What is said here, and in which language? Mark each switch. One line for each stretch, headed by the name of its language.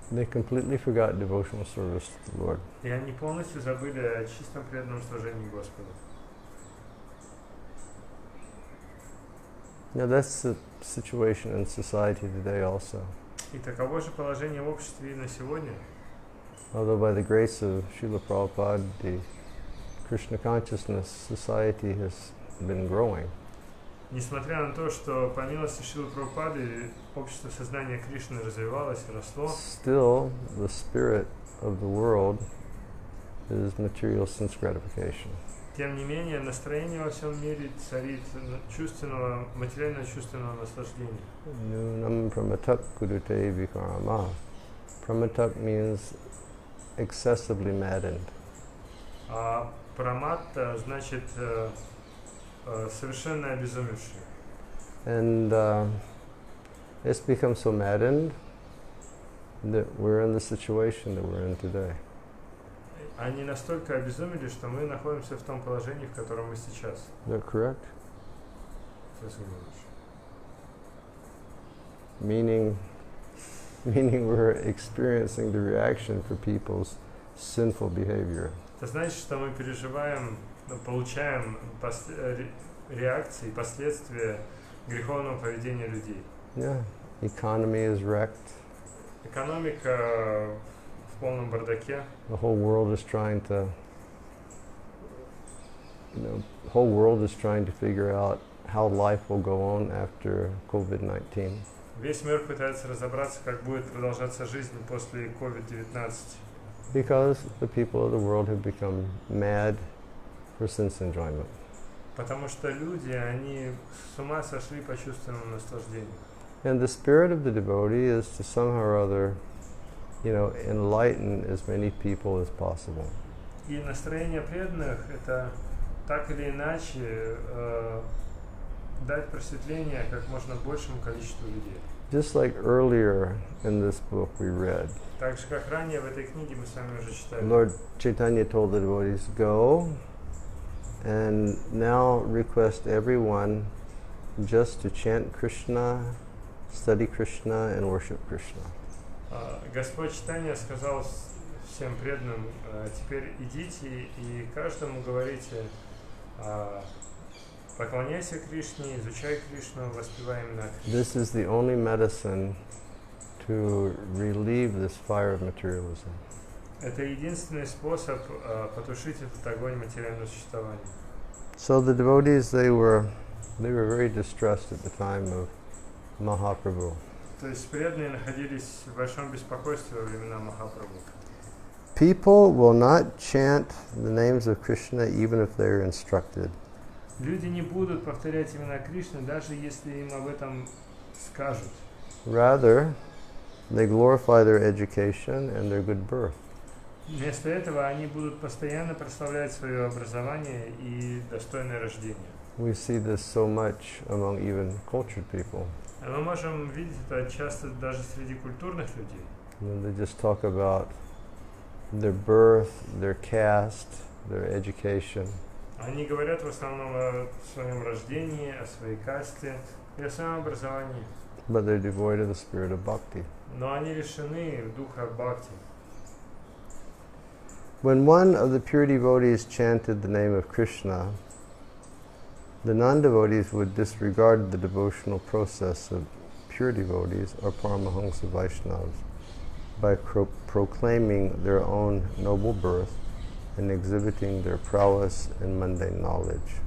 English: They completely forgot devotional service to the Lord.
Russian: И они полностью забыли о чистом преданном служении Господу.
English: Now that's the situation in society today also.
Russian: И таково же положение в обществе и на сегодня.
English: Although by the grace of Srila Prabhupada, the Krishna consciousness society has been growing.
Russian: Несмотря на то, что по милости Шрилы Прабхупады общество сознания Кришны развивалось и росло,
English: still the spirit of the world is material sense gratification.
Russian: Тем не менее, настроение во всем мире царит чувственного, материально-чувственного наслаждения.
Sanskrit: Нюнам праматак кудуте викарама.
English: Праматак means excessively maddened.
Russian: А прамата значит совершенно обезумевший.
English: And it's become so maddened that we're in the situation that we're in today.
Russian: Они настолько обезумели, что мы находимся в том положении, в котором мы сейчас.
English: That's correct. Meaning we're experiencing the reaction for people's sinful behavior.
Russian: Это значит, что мы переживаем, получаем реакции, последствия греховного поведения людей.
English: Yeah, economy is wrecked.
Russian: Экономика в полном бардаке.
English: The whole world is trying to, whole world is trying to figure out how life will go on after COVID-19.
Russian: Весь мир пытается разобраться, как будет продолжаться жизнь после COVID-19.
English: Because the people of the world have become mad for sense enjoyment.
Russian: Потому что люди, они с ума сошли по чувственному наслаждению.
English: And the spirit of the devotee is to somehow or other, you know, enlighten as many people as possible.
Russian: И настроение преданных – это так или иначе дать просветление как можно большему количеству людей.
English: Just like earlier in this book we read,
Russian: так же, как ранее в этой книге мы с вами уже читали.
English: Lord Chaitanya told the devotees, go and now request everyone just to chant Krishna, study Krishna and worship Krishna.
Russian: Господь Чайтанья сказал всем преданным, теперь идите и каждому говорите, поклоняйся Кришне, изучай Кришну, воспевай имена Кришны.
English: This is the only medicine to relieve this fire of materialism.
Russian: Это единственный способ потушить этот огонь материального существования.
English: So the devotees, they were very distressed at the time of Mahaprabhu.
Russian: То есть преданные находились в большом беспокойстве во времена Махапрабху.
English: People will not chant the names of Krishna even if they are instructed.
Russian: Люди не будут повторять имена Кришны, даже если им об этом скажут.
English: Rather, they glorify their education and their good birth.
Russian: Вместо этого они будут постоянно прославлять свое образование и достойное рождение.
English: We see this so much among even cultured people.
Russian: Мы можем видеть это часто даже среди культурных людей.
English: And they just talk about their birth, their caste, their education.
Russian: Они говорят в основном о своем рождении, о своей касте и о своем образовании.
English: But they're devoid of the spirit of bhakti.
Russian: Но они лишены духа бхакти.
English: When one of the pure devotees chanted the name of Krishna, the non-devotees would disregard the devotional process of pure devotees or paramahamsa Vaishnavas by proclaiming their own noble birth and exhibiting their prowess and mundane knowledge.